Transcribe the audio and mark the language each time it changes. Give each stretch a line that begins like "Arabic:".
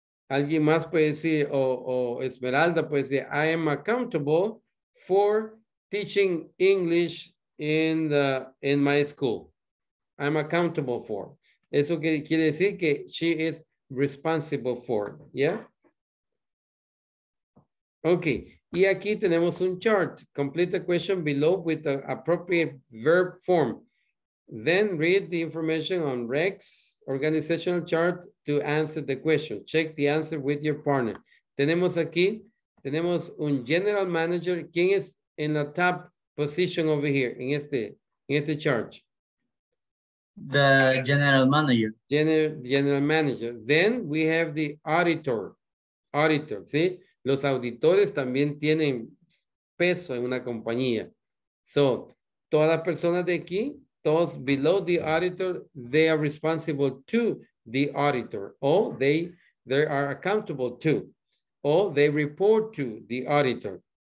Spanish: Alguien más puede decir,
English: o Esmeralda puede decir, I am accountable for teaching English in my school. I'm accountable for.
Spanish: Eso que quiere decir que
English: she is responsible for, yeah?
Spanish: Ok, y aquí tenemos un chart.
English: Complete the question below with the appropriate verb form. Then read the information on Rex's organizational chart to answer the question. Check the answer with your partner.
Spanish: Tenemos aquí, tenemos un
English: general manager.
Spanish: ¿Quién es en la
English: top position over here
Spanish: en este chart?
English: The general manager. General manager. Then we have the auditor. Auditor, see?
Spanish: Los auditores también tienen peso en una compañía.
English: So,
Spanish: todas las personas de aquí, todos
English: below the auditor, they are responsible to the auditor. Or they are accountable to. Or they report to the auditor.